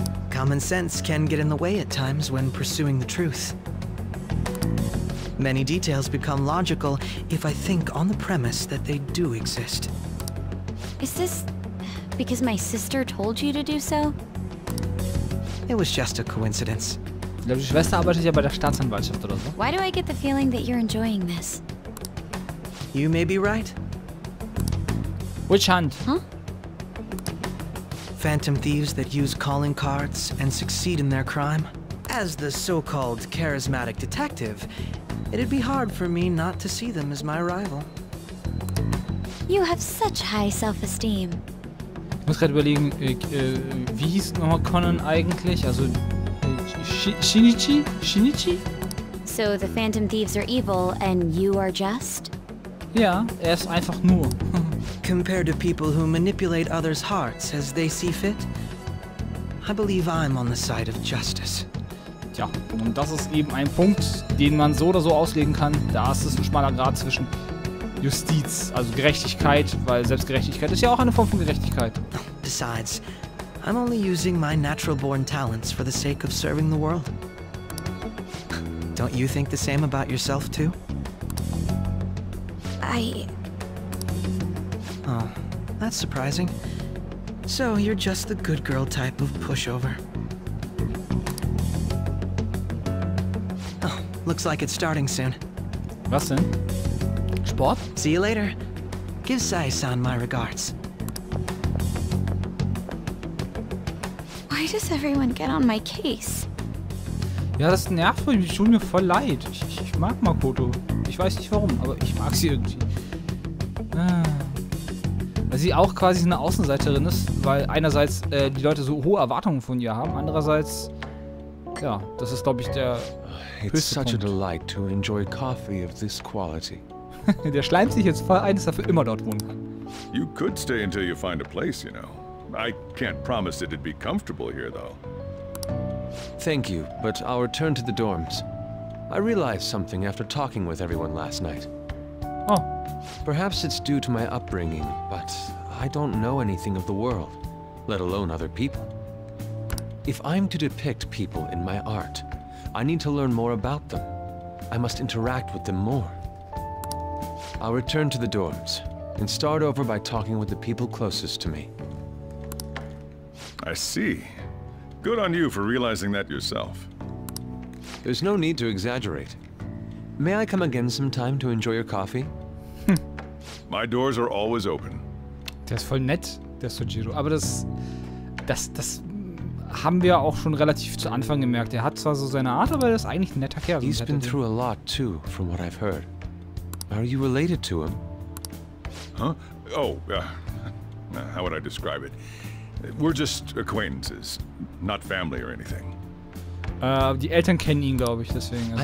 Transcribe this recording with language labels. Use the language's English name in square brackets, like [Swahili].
[English] Common sense can get in the way at times when pursuing the truth. Many details become logical if I think on the premise that they do exist. Is this because my sister told you to do so? It was just a coincidence. [German] Deine Schwester arbeitet ja bei der Staatsanwaltschaft oder so. [English] Why do I get the feeling that you're enjoying this? You may be right. Witch Hunt. Hm? Phantom thieves that use calling cards and succeed in their crime? As the so-called charismatic detective, it'd be hard for me not to see them as my rival. You have such high self-esteem. [German] Ich muss gerade überlegen, wie hieß nochmal Conan eigentlich? Also, Shinichi? Shinichi? [English] So the Phantom Thieves are evil and you are just? [German] Ja, ist einfach nur. [English] Compared to people who manipulate others' hearts as they see fit, I believe I'm on the side of justice. [German] Tja, und das ist eben ein Punkt, den man so oder so auslegen kann. Da ist es ein schmaler Grat zwischen Justiz, also Gerechtigkeit, weil Selbstgerechtigkeit ist ja auch eine Form von Gerechtigkeit. [English] Besides, I'm only using my natural-born talents for the sake of serving the world. Don't you think the same about yourself, too? I... Oh, that's surprising. So, you're just the good girl type of pushover. Oh, looks like it's starting soon. [German] Was denn? Sport? [English] See you later. Give Sai-san my regards. Why does everyone get on my case? [German] Ja, das nervt mich. Ich tue mir voll leid. Ich mag Makoto. Ich weiß nicht warum, aber ich mag sie irgendwie. Weil sie auch quasi eine Außenseiterin ist, weil einerseits die Leute so hohe Erwartungen von ihr haben, andererseits, ja, das ist glaube ich der höchste [English] It's such a delight to enjoy coffee of this quality. [German] Der schleimt sich jetzt voll ein, dass er für immer dort wohnen kann. [English] You could stay until you find a place, you know. I can't promise that it'd be comfortable here, though. Thank you, but I'll return to the dorms. I realized something after talking with everyone last night. Oh. Perhaps it's due to my upbringing, but I don't know anything of the world, let alone other people. If I'm to depict people in my art, I need to learn more about them. I must interact with them more. I'll return to the dorms and start over by talking with the people closest to me. I see. Good on you for realizing that yourself. There's no need to exaggerate. May I come again sometime to enjoy your coffee? My doors are always open. [German] Der ist voll nett, der Sojiro. Aber das haben wir auch schon relativ zu Anfang gemerkt. Er hat zwar so seine Art, aber er ist eigentlich ein netter Kerl. [English] He's been through a lot too, from what I've heard. Are you related to him? Huh? Oh, how would I describe it? We're just acquaintances, not family or anything. [German] Die Eltern kennen ihn, glaube ich, deswegen. Also